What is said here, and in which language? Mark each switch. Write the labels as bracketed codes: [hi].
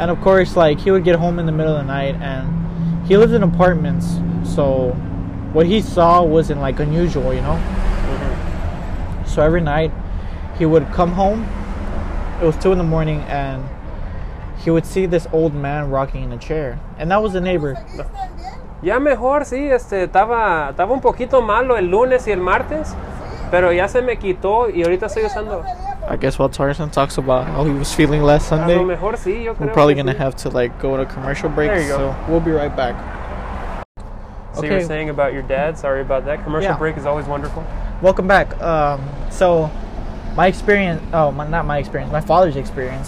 [en] And of course, like, he would get home in the middle of the night. And he lived in apartments. So what he saw wasn't like unusual, you know. Mm-hmm. So every night he would come home. It was 2 in the morning, and he would see this old man rocking in a chair. And that was the neighbor. [es] Ya mejor, sí, estaba un poquito malo el lunes y el martes, pero ya se me quitó y ahorita estoy usando. [en] I guess while Tarzan talks about how he was feeling last Sunday, [es] a lo mejor, sí, yo creo, [en] we're probably going to have to like go to commercial break, so we'll be right back. So okay. You were saying about your dad, sorry about that. Commercial break is always wonderful. Welcome back. So... My father's experience.